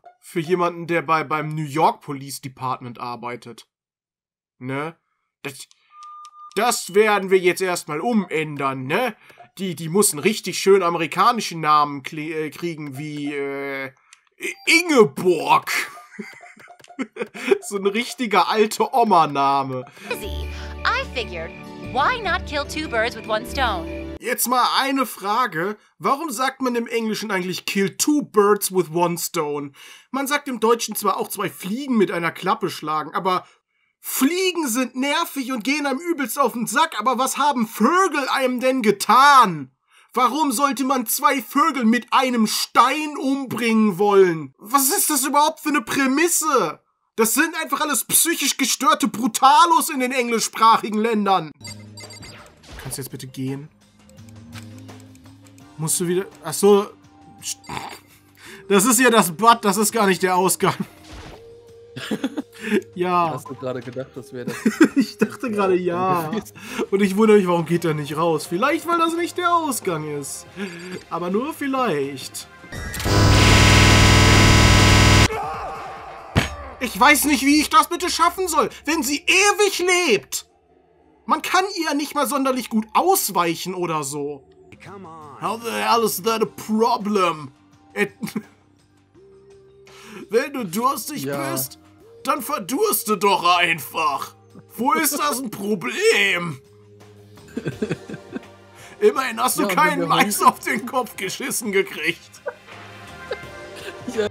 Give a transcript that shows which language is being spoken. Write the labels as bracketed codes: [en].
[de] Für jemanden, der beim New York Police Department arbeitet. Ne? Das werden wir jetzt erstmal umändern, ne? Die muss einen richtig schön amerikanischen Namen kriegen wie Ingeborg. So ein richtiger alter Oma-Name. [en] I figured, why not kill two birds with one stone? [de] Jetzt mal eine Frage. Warum sagt man im Englischen eigentlich [en] kill two birds with one stone? [de] Man sagt im Deutschen zwar auch zwei Fliegen mit einer Klappe schlagen, aber Fliegen sind nervig und gehen einem übelst auf den Sack, aber was haben Vögel einem denn getan? Warum sollte man zwei Vögel mit einem Stein umbringen wollen? Was ist das überhaupt für eine Prämisse? Das sind einfach alles psychisch gestörte Brutalos in den englischsprachigen Ländern. Kannst du jetzt bitte gehen? Musst du wieder... Achso. Das ist ja das Bad, das ist gar nicht der Ausgang. Ja. Hast du gerade gedacht, das wäre das? Ich dachte gerade ja. Und ich wundere mich, warum geht er nicht raus? Vielleicht, weil das nicht der Ausgang ist. Aber nur vielleicht. Ich weiß nicht, wie ich das bitte schaffen soll, wenn sie ewig lebt. Man kann ihr nicht mal sonderlich gut ausweichen oder so. [en] How the hell is that a problem? [de] Wenn du durstig bist, dann verdurste doch einfach. Wo ist das ein Problem? Immerhin hast du keinen Mais auf den Kopf geschissen gekriegt. Ja.